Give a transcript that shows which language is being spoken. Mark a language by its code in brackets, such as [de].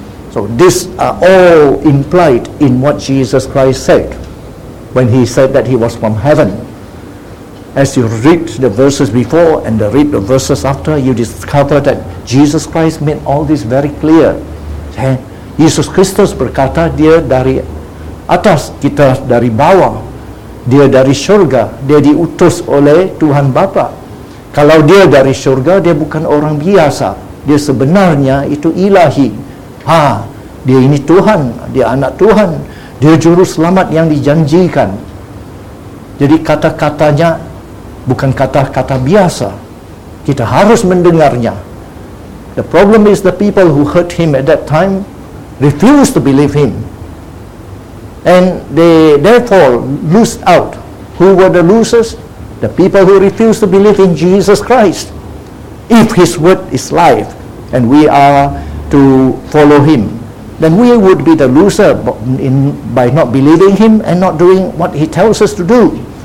[en] So these are all implied in what Jesus Christ said when he said that he was from heaven. As you read the verses before and read the verses after, you discover that Jesus Christ made all this very clear. [ms] Yesus Kristus berkata, dia dari atas, kita dari bawah, dia dari syurga, dia diutus oleh Tuhan Bapa. Kalau dia dari syurga, dia bukan orang biasa, dia sebenarnya itu ilahi. Dia ini Tuhan, dia anak Tuhan, dia juru selamat yang dijanjikan. Jadi kata-katanya bukan kata-kata biasa, kita harus mendengarnya. [en] The problem is the people who heard him at that time refused to believe him, and they therefore lose out. Who were the losers? The people who refused to believe in Jesus Christ. If his word is life and we are to follow him, then we would be the loser by not believing him and not doing what he tells us to do.